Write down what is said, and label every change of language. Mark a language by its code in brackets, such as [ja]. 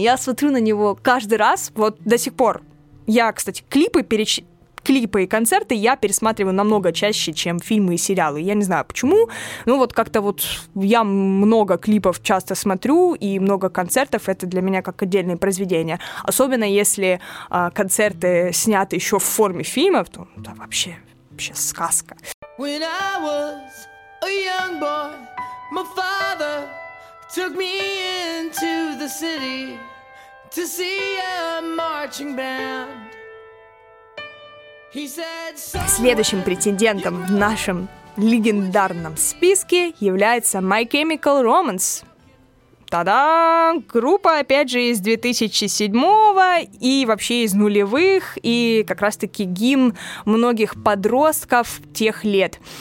[ru] Я смотрю на него каждый раз, вот до сих пор. Я, кстати, клипы и концерты я пересматриваю намного чаще, чем фильмы и сериалы. Я не знаю, почему. Ну, вот как-то вот я много клипов часто смотрю, и много концертов. Это для меня как отдельные произведения. Особенно если концерты сняты еще в форме фильмов, то да, вообще сказка. [en] When I was a young boy, my father took me into the city to see a marching band. He said, [ru] Следующим претендентом в нашем легендарном списке является My Chemical Romance. Та-дам! Группа, опять же, из 2007-го и вообще из нулевых, и как раз-таки гимн многих подростков тех лет.